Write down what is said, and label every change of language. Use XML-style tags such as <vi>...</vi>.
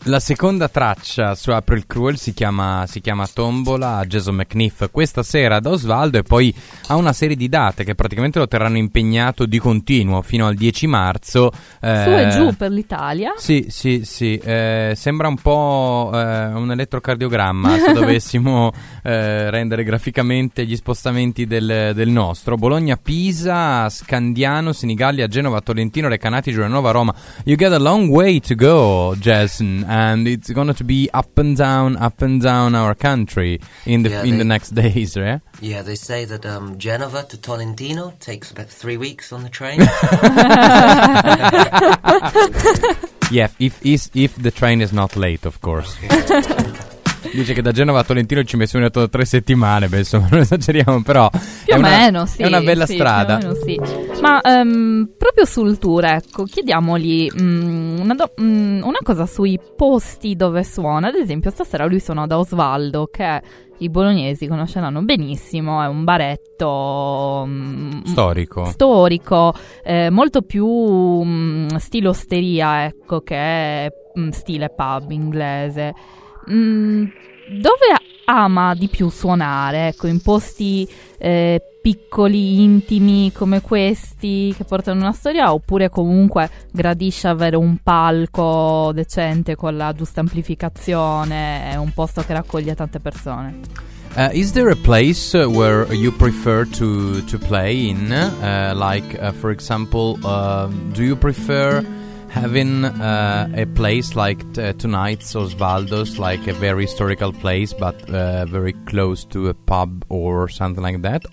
<it>La seconda traccia su April Cruel si chiama Tombola, Jason McNiff, questa sera ad Osvaldo, e poi ha una serie di date che praticamente lo terranno impegnato di continuo fino al 10 marzo. Su e giù per l'Italia. Sì, sì, sì. Sembra un po' un elettrocardiogramma, se dovessimo rendere graficamente gli spostamenti del nostro. Bologna, Pisa, Scandiano, Senigallia, Genova, Tolentino, Recanati, Giulianova, Roma.</it> <en>You got a long way to go, Jason, and it's going to be up and down our country in the next days, right? Yeah, they say that Genova to Tolentino takes about 3 weeks on the train. Yeah, if the train is not late, of course.</en> <it>Dice che da Genova a Tolentino ci messo un'altra 3 settimane, penso, non esageriamo, però più o meno, sì, è una bella, sì, strada. Più o meno, sì. Ma proprio sul tour, ecco, chiediamogli una cosa sui posti dove suona. Ad esempio, stasera lui suona da Osvaldo, che i bolognesi conosceranno benissimo, è un baretto storico, molto più stile osteria, ecco, che stile pub inglese. Dove ama di più suonare? Ecco, in posti piccoli, intimi come questi, che portano una storia, oppure comunque gradisce avere un palco decente con la giusta amplificazione, è un posto che raccoglie tante persone?</it> <en>Is there a place where you prefer to play in? Like for example, do you prefer having a place like tonight's Osvaldo's, like a very historical place, but very close to a pub or something like that?</en>